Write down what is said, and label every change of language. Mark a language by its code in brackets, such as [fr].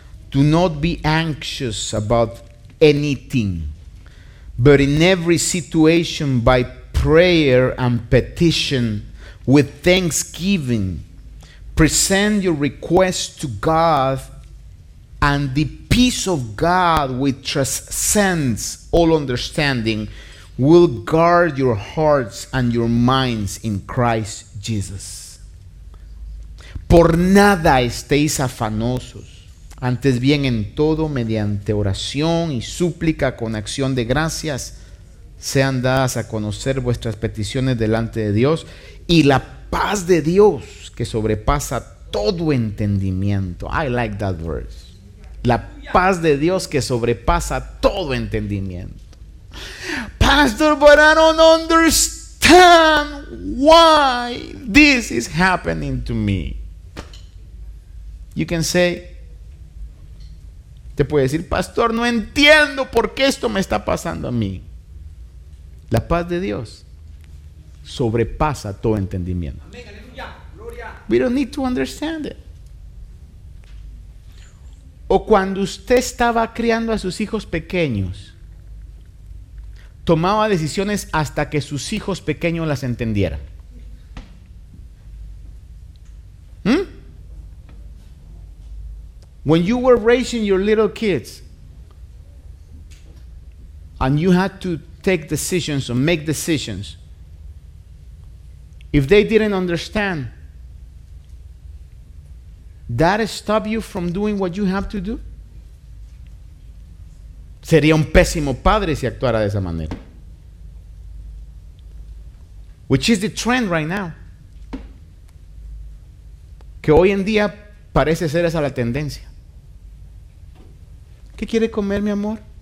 [en] Do not be anxious about anything, but in every situation by prayer and petition with thanksgiving, present your requests to God, and the peace of God which transcends all understanding will guard your hearts and your minds in Christ Jesus. [es] Por nada estéis afanosos, antes bien en todo, mediante oración y súplica con acción de gracias, sean dadas a conocer vuestras peticiones delante de Dios, y la paz de Dios que sobrepasa todo entendimiento. [en] I like that verse. [es] La paz de Dios que sobrepasa todo entendimiento. [en] Pastor, but I don't understand why this is happening to me. You can say, [es] te puede decir, pastor, no entiendo por qué esto me está pasando a mí. La paz de Dios sobrepasa todo entendimiento. [en] We don't need to understand it. [es] O cuando usted estaba criando a sus hijos pequeños, tomaba decisiones hasta que sus hijos pequeños las entendieran. [en] When you were raising your little kids and you had to take decisions or make decisions, if they didn't understand, that stop you from doing what you have to do? [es] Sería un pésimo padre si actuara de esa manera. [en] Which is the trend right now. [es] Que hoy en día parece ser esa la tendencia. ¿Qué quiere comer, mi amor?